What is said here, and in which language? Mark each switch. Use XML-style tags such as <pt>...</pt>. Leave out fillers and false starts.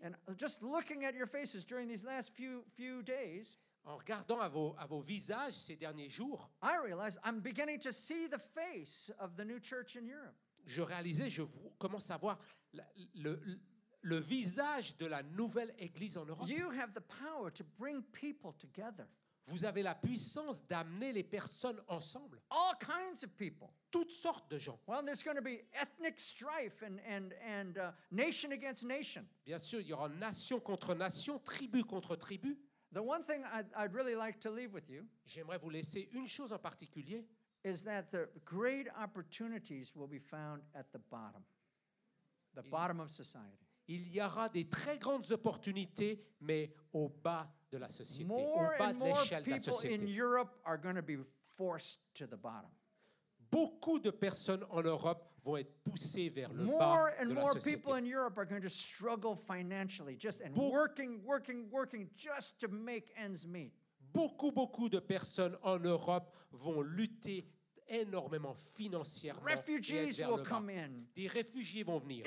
<en>And just looking at your faces during these last few days,</en> <fr>en regardant à vos visages ces derniers jours,</fr> <en>I realize I'm beginning to see the face of the new church in Europe.</en> <fr>Je réalisais, je commence à voir le visage de la nouvelle église en Europe.</fr> <en>You have the power to bring people together.</en> <fr>Vous avez la puissance d'amener les personnes ensemble.</fr> <en>All kinds of people.</en> <fr>Toutes sortes de gens.</fr> <en>Well, there's going to be ethnic strife and nation against nation.</en> <fr>Bien sûr, il y aura nation contre nation, tribu contre tribu.</fr> <en>The one thing I'd really like to leave with you.</en> <fr>J'aimerais vous laisser une chose en particulier.</fr> <en>Is that the great opportunities will be found at the bottom. The bottom of society.</en> <fr>Il y aura des très grandes opportunités, mais au bas de la société,</fr> <en>more</en> <fr>au bas de l'échelle de la société.</fr> <en>More people in Europe are going to be forced to the bottom.</en> <fr>Beaucoup de personnes en Europe vont être poussées vers le</fr> <en>more</en> <fr>bas de la société.</fr> <en>More and more people in Europe are going to struggle financially, just and working just to make ends meet.</en> <fr>Beaucoup de personnes en Europe vont lutter énormément financièrement.</fr> <en>Refugees will come in.</en> <fr>Des réfugiés vont venir.</fr>